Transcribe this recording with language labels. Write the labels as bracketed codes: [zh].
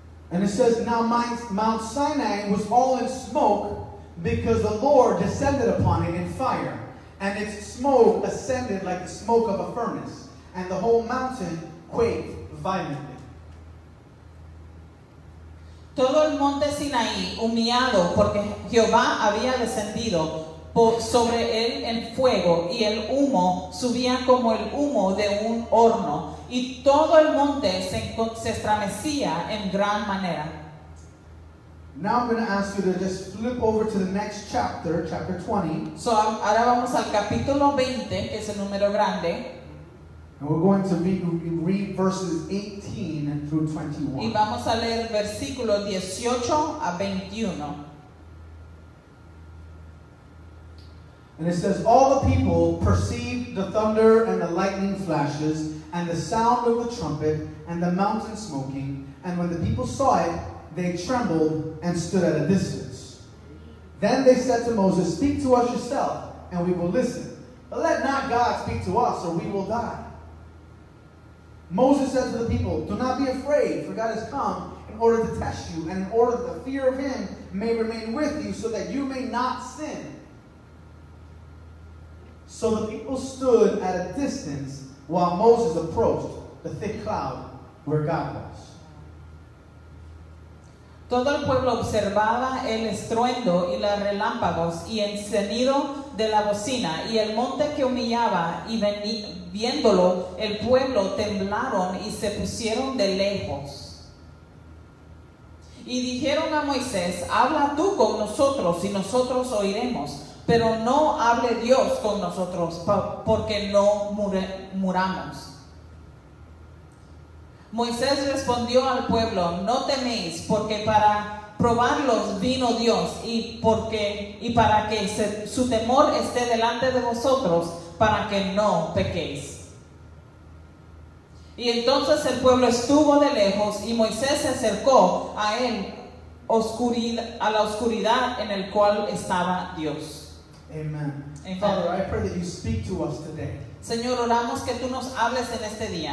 [en] And it says, "Now Mount Sinai was all in smoke because the Lord descended upon it in fire, and its smoke ascended like the smoke of a furnace, and the whole mountain quaked violently." [es] Todo el monte Sinaí humeado porque Jehová había descendido sobre él en fuego, y el humo subía como el humo de un horno, y todo el monte se estremecía en gran manera. [en] Now I'm going to ask you to just flip over to the next chapter, chapter 20. [es] So ahora vamos al capítulo 20, que es el número grande. [en] And we're going to read verses 18 through 21. [es] Y vamos a leer versículos 18 a 21. [en] And it says, "All the people perceived the thunder and the lightning flashes and the sound of the trumpet and the mountain smoking. And when the people saw it, they trembled and stood at a distance. Then they said to Moses, 'Speak to us yourself, and we will listen. But let not God speak to us, or we will die.' Moses said to the people, 'Do not be afraid, for God has come in order to test you, and in order that the fear of him may remain with you, so that you may not sin.' So the people stood at a distance while Moses approached the thick cloud where God was." [es] Todo el pueblo observaba el estruendo y los relámpagos y el sonido de la bocina y el monte que humillaba, y viéndolo el pueblo temblaron y se pusieron de lejos. Y dijeron a Moisés: "Habla tú con nosotros y nosotros oiremos, pero no hable Dios con nosotros, porque no muramos." Moisés respondió al pueblo: "No teméis, porque para probarlos vino Dios, y para que su temor esté delante de vosotros, para que no pequéis." Y entonces el pueblo estuvo de lejos, y Moisés se acercó a él, a la oscuridad en el cual estaba Dios. Amen. [en] And Father, I pray that you speak to us today. [es] Señor, oramos que tú nos hables en este día.